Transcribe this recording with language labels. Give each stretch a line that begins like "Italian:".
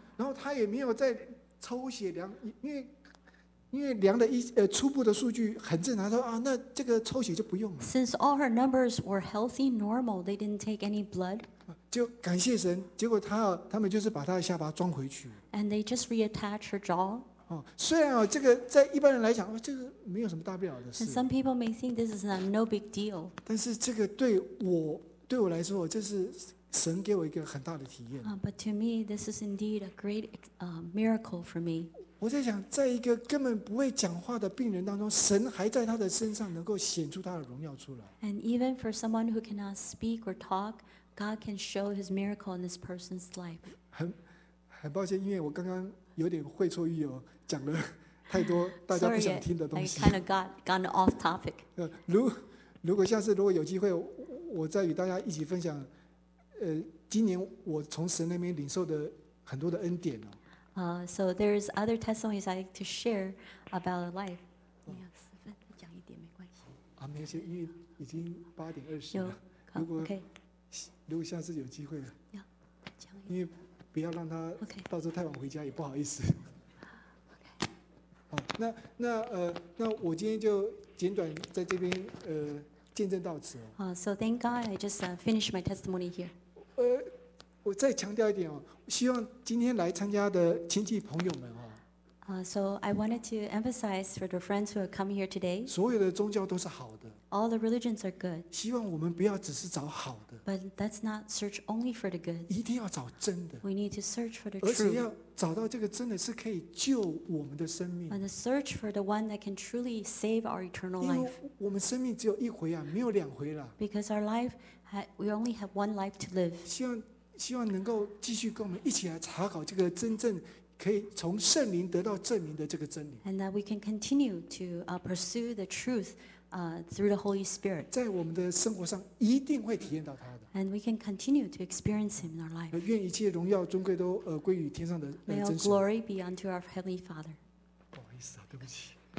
Chinese: 然后他也没有再抽血量，因为量的初步的数据很正常，他说啊，那这个抽血就不用了。
English: Since all her numbers were healthy, normal, they didn't take any blood.
Chinese: 就感谢神，结果他们就是把他的下巴装回去。
English: And they just reattach her jaw.
Chinese: 哦，虽然哦，这个在一般人来讲，这个没有什么大不了的事。
English: And some people may think this is a no big deal.
Chinese: 但是这个对我来说，这是。神给我一个很大的体验。
English: But to me, this is indeed a great miracle for me.
Chinese: 我在想，在一个根本不会讲话的病人当中，神还在他的身上能够显出他的荣耀出来。
English: And even for someone who cannot speak or talk, God can show His miracle in this person's life.
Chinese: 很抱歉，因为我刚刚有点会错语哦，讲了太多大家不想听的东西。
English: Sorry, I kind of got off topic.
Chinese: 如果下次如果有机会，我再与大家一起分享。今年我从神那边领受的很多的恩典哦。
English: So there's other testimonies I like to share about life.
Chinese: 你要十分讲一点没关系。啊，没关系，因为已经8:20了。有，如果下次有机会，要讲一点，因为不要让他到时候太晚回家也不好意思。
English: OK。
Chinese: 好，那我今天就简短在这边见证到此。
English: So thank God, I just finished my testimony here.
Chinese: 我再强调一点哦，希望今天来参加的亲戚朋友们哦。
English: So I wanted to emphasize for the friends who have come here today.
Chinese: 所有的宗教都是好的。
English: All the religions are good.
Chinese: 希望我们不要只是找好的。
English: But let's not search only for the good.
Chinese: 一定要找真的。
English: We need to search for the truth.
Chinese: 而且要找到这个真的是可以救我们的生命。
English: And search for the one that can truly save our eternal life.
Chinese: 因为我们生命只有一回啊，没有两回了。
English: Because our life, we only have one life to live.
Chinese: 希望能够继续跟我们一起来查考这个真正。可以从圣灵得到证明的这个真理。
English: And that we can continue to pursue the truth through the Holy Spirit.
Chinese: 在我们的生活上一定会体验到他的。
English: And we can continue to experience Him in our life.
Chinese: 愿一切荣耀尊贵都归于天上的真神。
English: May all glory be unto our Heavenly Father.
Chinese: 不好意思啊，对不起。